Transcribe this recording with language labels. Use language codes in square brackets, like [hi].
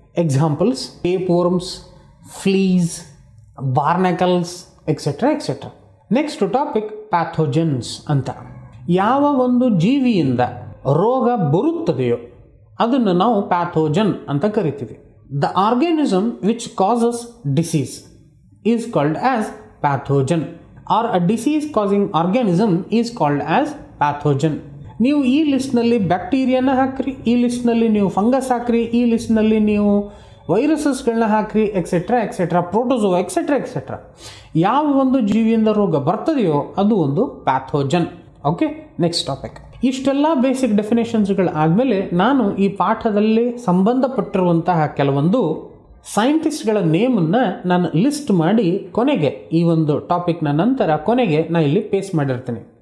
[en] Examples, tapeworms, fleas, barnacles etcetera etcetera. [kn] Next topic, ಪ್ಯಾಥೋಜೆನ್ಸ್ ಅಂತ. ಯಾವ ಒಂದು ಜೀವಿಯಿಂದ ರೋಗ ಬರುತ್ತದೆಯೋ ಅದನ್ನು ನಾವು ಪ್ಯಾಥೋಜೆನ್ ಅಂತ ಕರಿತೀವಿ. [en] The organism which causes disease is called as pathogen or a disease causing organism is called as pathogen. [kn] ನೀವು ಈ ಲಿಸ್ಟ್ನಲ್ಲಿ ಬ್ಯಾಕ್ಟೀರಿಯಾನ ಹಾಕ್ರಿ, ಈ ಲಿಸ್ಟ್ನಲ್ಲಿ ನೀವು ಫಂಗಸ್ ಹಾಕ್ರಿ, ಈ ಲಿಸ್ಟ್ನಲ್ಲಿ ನೀವು ವೈರಸಸ್ಗಳನ್ನ ಹಾಕ್ರಿ etcetera etcetera, protozoa etcetera etcetera. ಯಾವ ಒಂದು ಜೀವಿಯಿಂದ ರೋಗ ಬರ್ತದೆಯೋ ಅದು ಒಂದು ಪ್ಯಾಥೋಜನ್. Okay, next topic. ಇಷ್ಟೆಲ್ಲ ಬೇಸಿಕ್ ಡೆಫಿನೇಷನ್ಸ್ಗಳು ಆದಮೇಲೆ ನಾನು ಈ ಪಾಠದಲ್ಲಿ ಸಂಬಂಧಪಟ್ಟಿರುವಂತಹ ಕೆಲವೊಂದು ಸೈಂಟಿಸ್ಟ್ಗಳ ನೇಮನ್ನು ನಾನು ಲಿಸ್ಟ್ ಮಾಡಿ ಕೊನೆಗೆ ಈ ಒಂದು ಟಾಪಿಕ್ನ ನಂತರ ಕೊನೆಗೆ ನಾ ಇಲ್ಲಿ ಪೇಸ್ ಮಾಡಿರ್ತೀನಿ.